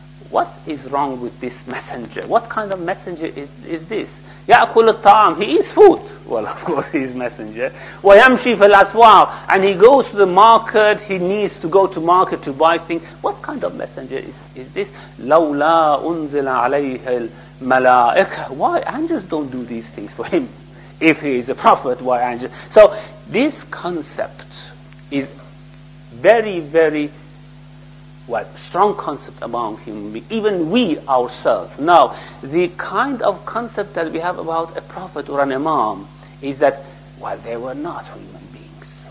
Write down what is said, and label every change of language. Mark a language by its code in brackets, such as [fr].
[en] What is wrong with this messenger? What kind of messenger is this? [ar] يأكل الطعام. [en] He eats food. Well, of course, he's messenger. [ar] ويمشي في الأسواق. [en] And he goes to the market. He needs to go to market to buy things. What kind of messenger is this? [ar] لولا أنزل عليه الملائكة. [en] Why angels don't do these things for him? If he is a prophet, why angels? So this concept is very, very what strong concept among human beings, even we ourselves. Now, the kind of concept that we have about a prophet or an imam is that, well, they were not human beings.